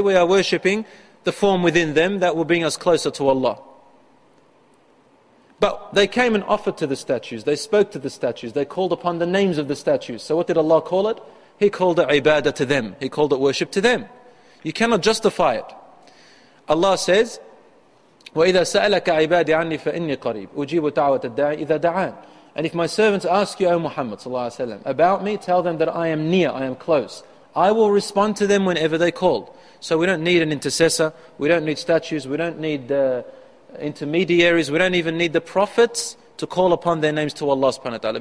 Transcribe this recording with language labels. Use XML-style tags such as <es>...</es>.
<en>We are worshipping the form within them that will bring us closer to Allah. But they came and offered to the statues. They spoke to the statues. They called upon the names of the statues. So what did Allah call it? He called it ibadah to them. He called it worship to them. You cannot justify it.</en> <ar>Allah says, وَإِذَا سَأَلَكَ عِبَادِي عَنِّي فَإِنِّي قَرِيبٌ أُجِيبُ دَعْوَةَ الدَّاعِ إِذَا دَعَانِ.</ar> <en>And if my servants ask you, O Muhammad sallallahu alaihi wasallam, about me, tell them that I am near, I am close. I will respond to them whenever they call. So we don't need an intercessor. We don't need statues. We don't need intermediaries. We don't even need the prophets to call upon their names to Allah subhanahu wa ta'ala.</en>